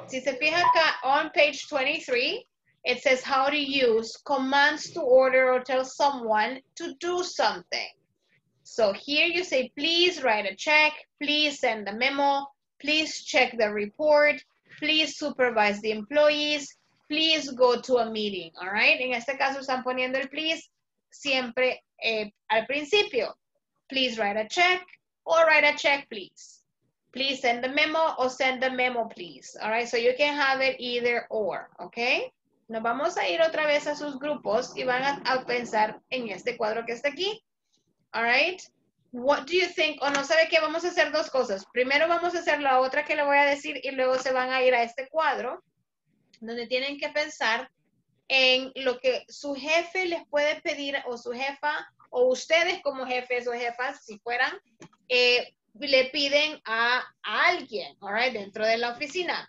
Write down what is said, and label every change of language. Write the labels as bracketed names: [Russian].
[Spanish] Si se fija acá, [English] on page 23, it says how to use commands to order or tell someone to do something. So here you say, please write a check, please send a memo, please check the report, please supervise the employees, please go to a meeting, all right? [Spanish] En este caso, están poniendo el please siempre al principio. [English] Please write a check, or write a check, please. Please send a memo, or send a memo, please. All right, so you can have it either or, okay? [Spanish] Nos vamos a ir otra vez a sus grupos y van a pensar en este cuadro que está aquí. [English] All right, what do you think, [Spanish] o no sabe qué, vamos a hacer dos cosas. Primero vamos a hacer la otra que le voy a decir y luego se van a ir a este cuadro donde tienen que pensar en lo que su jefe les puede pedir o su jefa o ustedes como jefes o jefas, si fueran, le piden a alguien, [English] all right, [Spanish] dentro de la oficina.